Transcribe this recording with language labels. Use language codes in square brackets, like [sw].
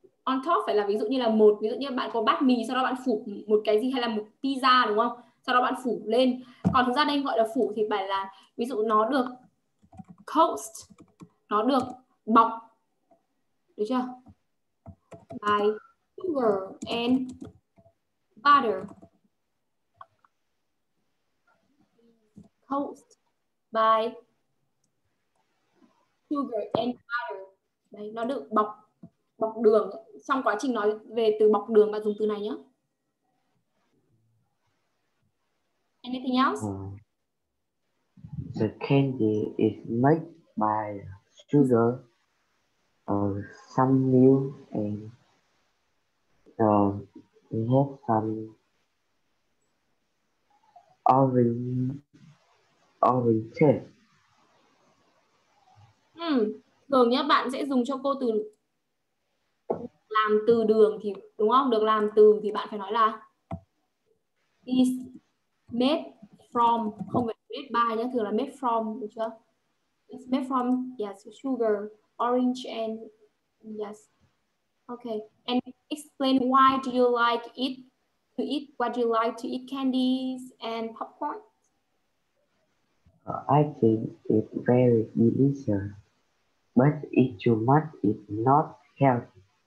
[vi] On top phải là ví dụ như là một, ví dụ như bạn có bát mì, sau đó bạn phủ một cái gì hay là một pizza đúng không? Sau đó bạn phủ lên. Còn thực ra đây gọi là phủ thì phải là ví dụ nó được coast, nó được bọc, được chưa? [en] By sugar and butter, coast by sugar and butter. [vi] Đấy, nó được bọc, bọc đường. Trong quá trình nói về từ bọc đường, bạn dùng từ này nhé. [en] Anything else? The candy is made by sugar, some milk, and we have some orange chips. [vi] Thường nhé, bạn sẽ dùng cho cô từ làm từ đường thì đúng không? Được làm từ thì bạn phải nói là [en] is made from, [vi] không phải [en] made by [vi] nhé, thường là [en] made from, [vi] được chưa? [en] It's made from, yes, sugar, orange, and yes. Okay, and explain why do you like it to eat, what do you like to eat, candies and popcorn? I think it's very delicious, but eat too much is not healthy.